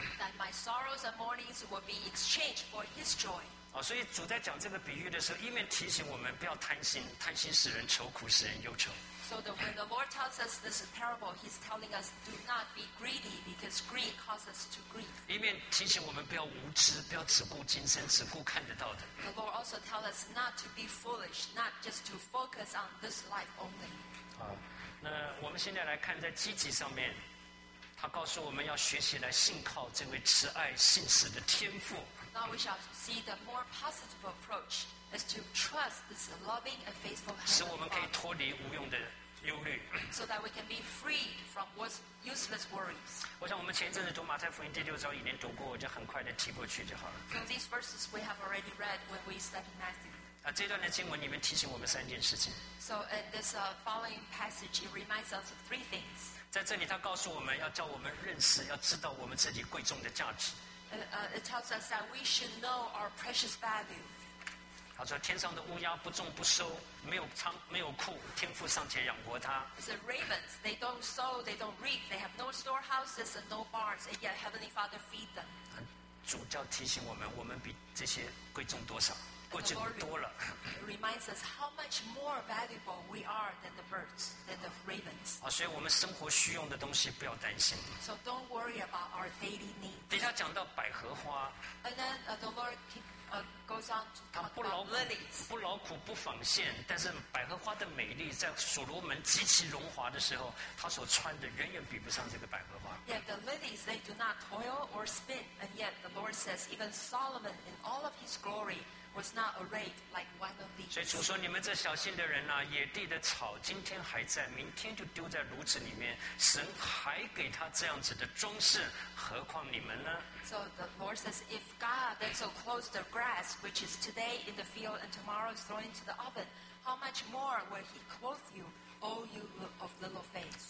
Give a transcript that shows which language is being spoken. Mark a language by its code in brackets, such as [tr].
[en] That my sorrows and mournings will be exchanged for His joy. [zh] 哦，所以主在讲这个比喻的时候，一面提醒我们不要贪心，贪心使人愁苦，使人忧愁。 [en] So when the Lord tells us this parable, He's telling us do not be greedy because greed causes us to grieve. [zh] 一面提醒我们不要无知，不要只顾今生，只顾看得到的。 [en] The Lord also tells us not to be foolish, not just to focus on this life only. [zh] 那我们现在来看，在积极上面，他告诉我们要学习来信靠这位慈爱信实的天父。 [en] Now we shall see the more positive approach is to trust this loving and faithful Heavenly [zh] Father. 使我们可以脱离无用的忧虑。 [en] So that we can be freed from useless worries. [zh] 我想我们前一阵子读马太福音第六章已经读过，我就很快的提过去就好了。 [en] So these verses we have already read when we studied Matthew. [zh] 这段的经文里面提醒我们三件事情。 [en] So in this following passage, it reminds us of three things. [zh] 在这里，他告诉我们要叫我们认识，要知道我们自己贵重的价值。 [en] It tells us that we should know our precious value. [zh] 他说：“天上的乌鸦不种不收，没有仓没有库，天父尚且养活它。 [en] ”The ravens they don't sow, they don't reap, they have no storehouses and no barns, and yet Heavenly Father feed them. [zh] 主教提醒我们，我们比这些贵重多少？过去多了。 [en] Reminds us how much more valuable we are than the birds, than the ravens. [zh] 好，所以我们生活需用的东西不要担心。 [en] So don't worry about our daily needs. [zh] 等一下讲到百合花。 [en] And then the Lord goes on to talk about lilies. [zh] 不劳苦不纺线，但是百合花的美丽，在所罗门极其荣华的时候，他所穿的远远比不上这个百合花。 [en] Yeah, the lilies they do not toil or spin, and yet the Lord says even Solomon in all of his glory. Was not arrayed like one of these. [zh] 所以主说：“你们这小心的人呐、啊，野地的草今天还在，明天就丢在炉子里面。神还给他这样子的装饰，何况你们呢 [en] ？”So the Lord says, "If God then so clothes the grass, which is today in the field and tomorrow is thrown into the oven, how much more will He clothe you, all you of little faith?"